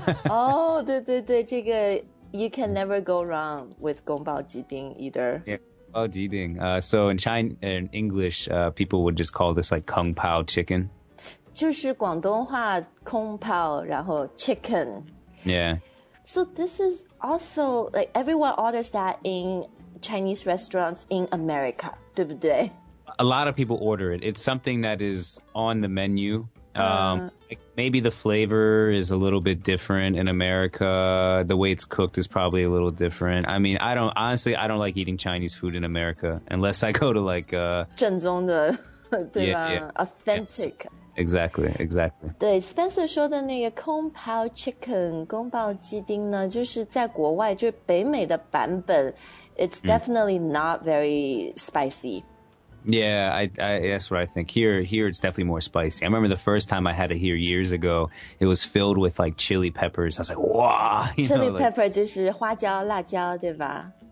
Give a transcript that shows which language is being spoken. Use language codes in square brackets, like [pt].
[en] Oh, [zh] 对对对,这个, [en] you can never go wrong with 宫保鸡丁 either. Yeah. Oh, jiding. So in China, in English, people would just call this like kung pao chicken. [zh] 就是广东话, kung pao, 然后 chicken. [en] Yeah. So this is also like everyone orders that in Chinese restaurants in America, [zh] 对不对? [en] A lot of people order it. It's something that is on the menu. Maybe the flavor is a little bit different in America. The way it's cooked is probably a little different. I mean, I don't, honestly, I don't like eating Chinese food in America unless I go to like, [zh] 正宗的, 对吧? [en] Yeah, yeah. Authentic. Yes. Exactly, exactly. [zh] 对, Spencer说的那个 kung pao chicken, 宫保鸡丁呢, 就是在国外, 就是北美的版本, [en] it's definitely not very spicy. Yeah, I that's what I think. Here it's definitely more spicy. I remember the first time I had it here years ago, it was filled with like chili peppers. I was like, wow! Chili know, pepper [zh] 就是花椒、辣椒,对吧?